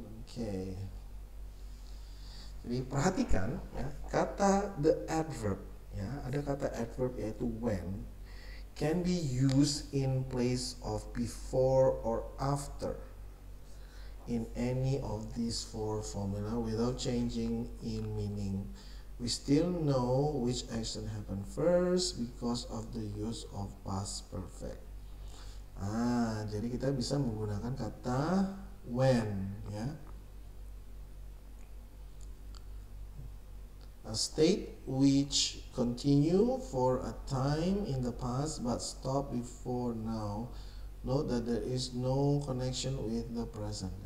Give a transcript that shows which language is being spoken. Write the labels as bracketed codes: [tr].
[en] Okay. [id] Jadi perhatikan ya, kata the adverb ya, ada kata adverb yaitu [en] when can be used in place of before or after in any of these four formula without changing in meaning. We still know which action happened first because of the use of past perfect. [id] Jadi kita bisa menggunakan kata when, ya. [en] A state which continue for a time in the past but stop before now. Note that there is no connection with the present.